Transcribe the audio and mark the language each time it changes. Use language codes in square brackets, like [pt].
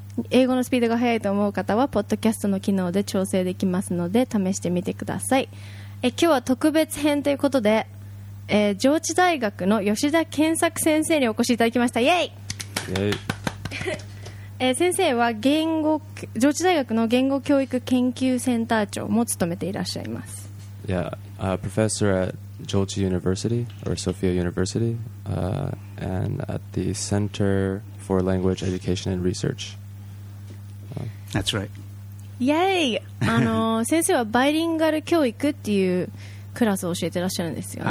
[ja] 英語のスピードが速いと思う方はポッドキャストの機能で調整できますので試してみてください。今日は特別編ということで、上智大学の吉田健作先生にお越しいただきました。イエイ。先生は上智大学の言語教育研究センター長も務めていらっしゃいます。 [en] Yeah, professor at 上智 University or Sophia University、and at the Center for Language Education and Research That's right. Yay! [ja] 先生はバイリンガル教育っていうクラスを教えてらっしゃるんですよね。